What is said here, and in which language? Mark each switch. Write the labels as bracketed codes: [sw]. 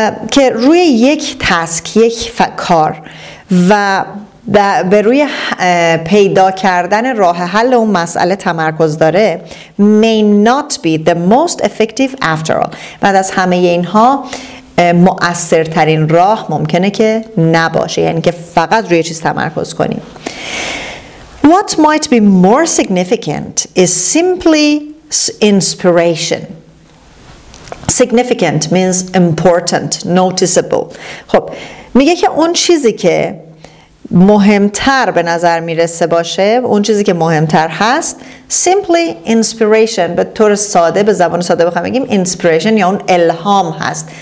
[fa] که روی یک تسک، یک کار و به روی پیدا کردن راه حل اون مسئله تمرکز داره، [en] may not be the most effective after all، [fa] بعد از همه اینها مؤثرترین راه ممکنه که نباشه، یعنی که فقط روی چیز تمرکز کنیم. [en] What might be more significant is simply inspiration. Significant means important, noticeable. [fa] خب میگه که اون چیزی که مهمتر به نظر میرسه باشه، اون چیزی که مهمتر هست، [en] simply inspiration، [fa] به طور ساده، به زبان ساده بخوام بگیم inspiration یا اون الهام هست.